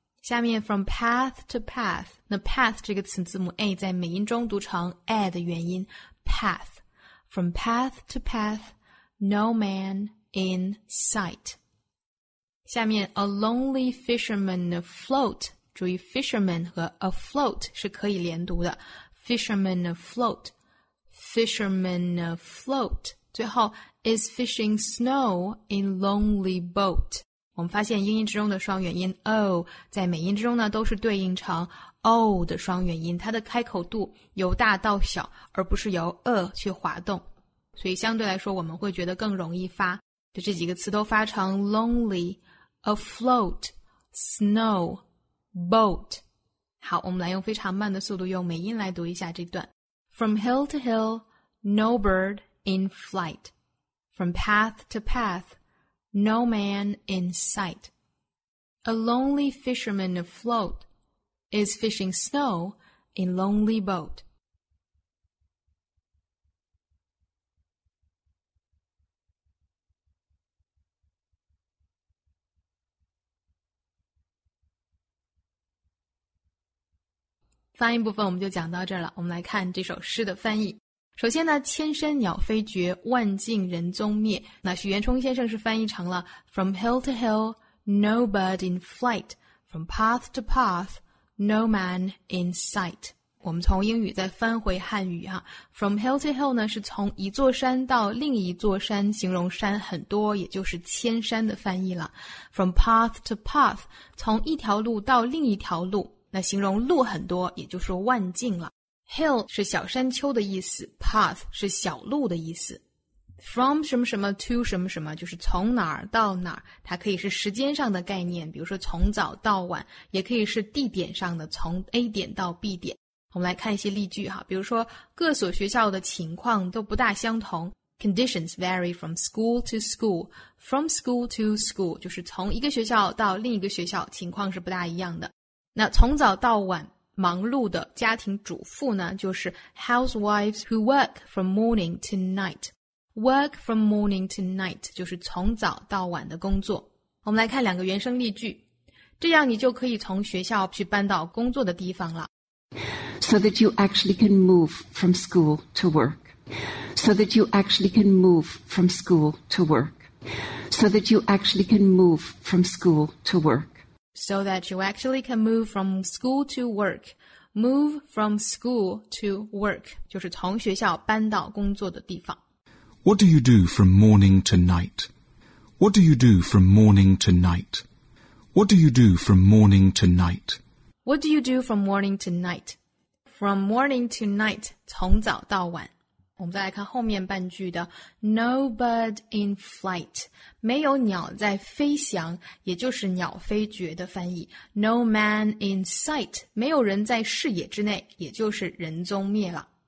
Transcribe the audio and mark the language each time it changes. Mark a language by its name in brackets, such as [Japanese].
[Chinese] 下面 [English] from path to path, [Chinese] 那 path 这个词字母 A 在美音中读成 A 的元音 , [English] path, from path to path, no man in sight. [Chinese] 下面 [English] a lonely fisherman afloat, [Chinese] 注意 fisherman 和 afloat 是可以连读的 [English] fisherman afloat [Chinese] 最后 [English] is fishing snow in lonely boat [Chinese] 我们发现英音之中的双元音 o 在美音之中呢都是对应成 o 的双元音它的开口度由大到小而不是由 e 去滑动所以相对来说我们会觉得更容易发就这几个词都发成 lonely afloat snowboat. 好我们来用非常慢的速度用美音来读一下这段。 [English] From hill to hill, no bird in flight. From path to path, no man in sight. A lonely fisherman afloat is fishing snow in lonely boat. [Chinese] 发音部分我们就讲到这儿了，我们来看这首诗的翻译。首先呢，千山鸟飞绝，万径人踪灭。那许渊冲先生是翻译成了 [English] From hill to hill, no bird in flight. From path to path, no man in sight. [Chinese] 我们从英语再翻回汉语啊， [English] From hill to hill [Chinese] 呢，是从一座山到另一座山，形容山很多，也就是千山的翻译了。 [English] From path to path, [Chinese] 从一条路到另一条路，那形容路很多，也就是万径了。 Hill 是小山丘的意思， path 是小路的意思。 From 什么什么 to 什么什么，就是从哪儿到哪儿，它可以是时间上的概念，比如说从早到晚，也可以是地点上的，从 A 点到 B 点。我们来看一些例句哈，比如说各所学校的情况都不大相同， [English] Conditions vary from school to school. From school to school [Chinese] 就是从一个学校到另一个学校，情况是不大一样的。那从早到晚忙碌的家庭主妇呢，就是 [English] housewives who work from morning to night. Work from morning to night [Chinese] 就是从早到晚的工作。我们来看两个原声例句，这样你就可以从学校去搬到工作的地方了。 [English] So that you actually can move from school to work. So that you actually can move from school to work. So that you actually can move from school to work. So that you actually can move from school to work. Move from school to work 就是从学校搬到工作的地方。 What do you do from morning to night? What do you do from morning to night? What do you do from morning to night? What do you do from morning to night? From morning to night [Chinese] 从早到晚。我们再来看后面半句的 [English] No bird in flight, [Chinese] 没有鸟在飞翔，也就是鸟飞绝的翻译。 [English] No man in sight, [Chinese] 没有人在视野之内，也就是人踪灭了。